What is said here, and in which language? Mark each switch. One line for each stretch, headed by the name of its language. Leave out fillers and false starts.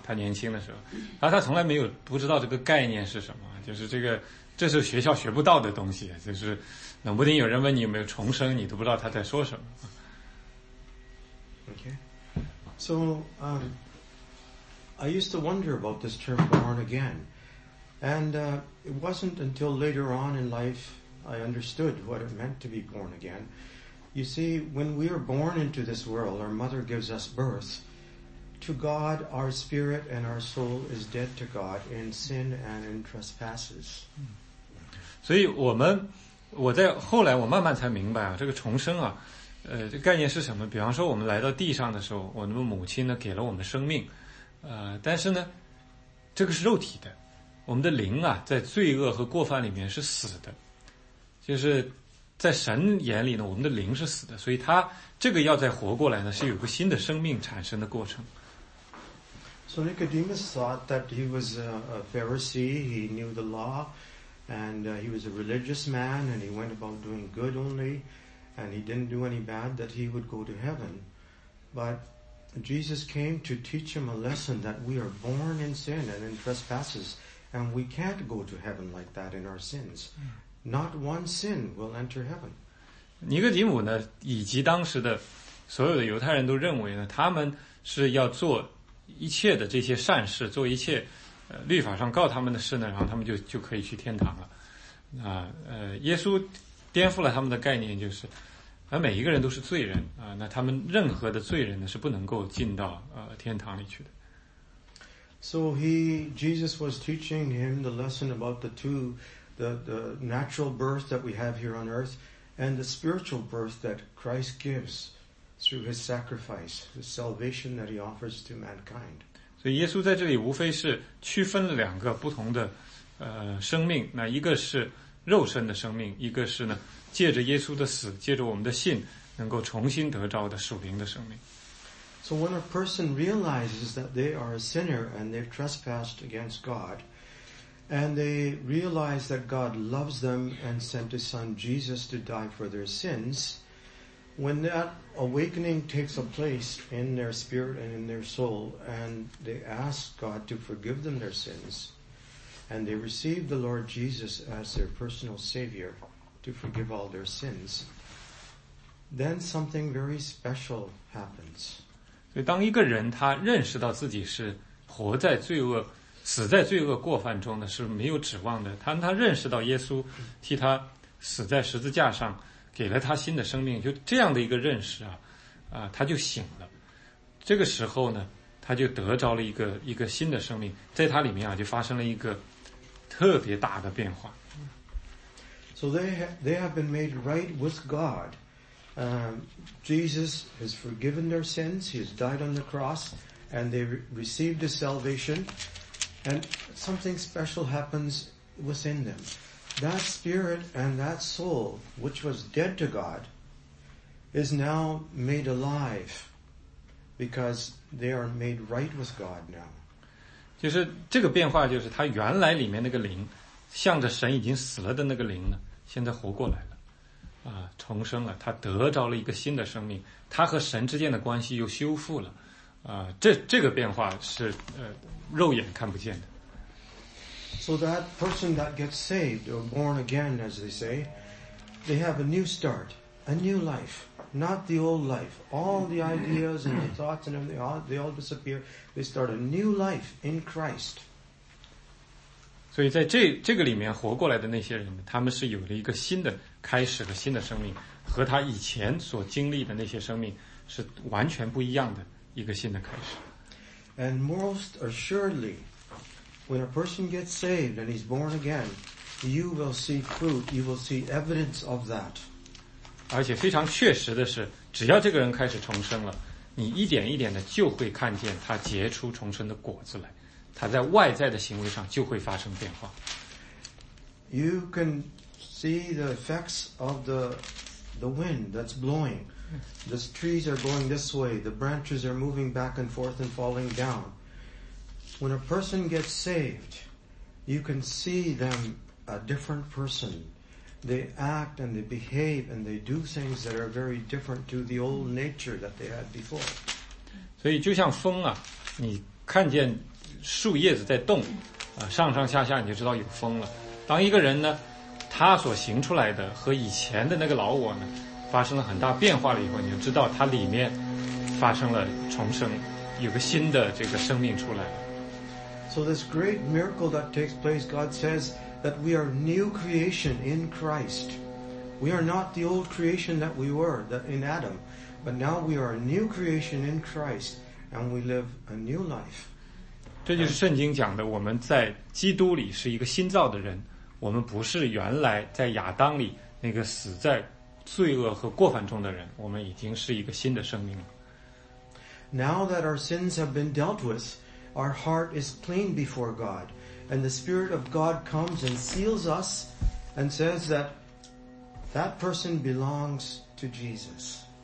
Chinese: 他年轻的时候，然后他从来没有不知道这个概念是什么，就是这个这是学校学不到的东西，就是。冷不丁有人问你有没有重生，你都不知道他在说什么。
English: Okay, so I used to wonder about this term "born again," and it wasn't until later on in life I understood what it meant to be born again. You see, when we are born into this world, our mother gives us birth. To God, our spirit and our soul is dead to God in sin and in trespasses.
Chinese: 所以我们。我在后来我慢慢才明白啊，这个重生啊，这概念是什么？比方说我们来到地上的时候，我们母亲呢给了我们生命，但是呢，这个是肉体的，我们的灵啊在罪恶和过犯里面是死的，就是在神眼里呢，我们的灵是死的，所以它这个要再活过来呢，是有个新的生命产生的过程。
English: So Nicodemus thought that he was a Pharisee. He knew the law. And he was a religious man, and he went about doing good only, and he didn't do any bad, that he would go to heaven. But Jesus came to teach him a lesson that we are born in sin and in trespasses, and we can't go to heaven like that in our sins. Not one sin will enter heaven.
Chinese: 尼哥底母呢，以及当时的所有的犹太人都认为呢，他们是要做一切的这些善事，做一切。律法上告他们的事呢，然后他们就可以去天堂了。耶稣颠覆了他们的概念，就是，每一个人都是罪人啊，那他们任何的罪人呢是不能够进到天堂里去的。
English: So Jesus was teaching him the lesson about the natural birth that we have here on earth and the spiritual birth that Christ gives through his sacrifice, the salvation that he offers to mankind.
Chinese: 所以耶稣在这里无非是区分了两个不同的生命，那一个是肉身的生命，一个是呢借着耶稣的死，借着我们的信能够重新得着的属灵的生命。
English: So when a person realizes that they are a sinner and they've trespassed against God, and they realize that God loves them and sent his son Jesus to die for their sins, when thatAwakening takes a place in their spirit and in their soul, and they ask God to forgive them their sins, and they receive the Lord Jesus as their personal Savior. to forgive all their sins, then something very special happens.
Chinese: 所以当一个人他认识到自己是活在罪恶死在罪恶过犯中的是没有指望的，当他认识到耶稣替他死在十字架上给了他新的生命，就这样的一个认识啊，他就醒了，这个时候呢他就得着了一个新的生命，在他里面啊就发生了一个特别大的变化。
English: So they have been made right with God. Jesus has forgiven their sins, he has died on the cross, and they received the salvation, and something special happens within them. That spirit and that soul, which was dead to God, is now made alive because they are made right with God now.
Chinese: 就是这个变化，就是他原来里面那个灵，向着神已经死了的那个灵呢，现在活过来了，啊，重生了，他得着了一个新的生命，他和神之间的关系又修复了，啊，这个变化是肉眼看不见的。
English: So that person that gets saved or born again, as they say, they have a new start, a new life, not the old life. All the ideas and the thoughts and they all disappear. They start a new life in Christ.
Chinese: 所以在这个里面活过来的那些人，他们是有了一个新的开始和新的生命，和他以前所经历的那些生命是完全不一样的一个新的开始。
English: And most assuredly,when a person gets saved and he's born again, you will see fruit, you will see evidence of that.
Chinese: 而且非常确实的是，只要这个人开始重生了，你一点一点的就会看见他结出重生的果子来，他在外在的行为上就会发生变化。
English: You can see the effects of the wind that's blowing. The trees are going this way, the branches are moving back and forth and falling down. When a person gets saved, you can see them a different person. They act and they behave and they do things that are very different to the old nature that they had before.
Chinese: 所以就像风啊，你看见树叶子在动，啊，上上下下你就知道有风了。当一个人呢，他所行出来的和以前的那个老我呢，发生了很大变化了以后，你就知道他里面发生了重生，有个新的这个生命出来了。
English: So this great miracle that takes place, God says that we are new creation in Christ. We are not the old creation that we were in Adam, but now we are a new creation in Christ, and we live a new life.
Chinese: 这就是圣经讲的，我们在基督里是一个新造的人，我们不是原来在亚当里那个死在罪恶和过犯中的人，我们已经是一个新的生命了。
English: Now that our sins have been dealt with,Our heart is clean before God, and the Spirit of God comes and seals us and says that that person belongs to Jesus.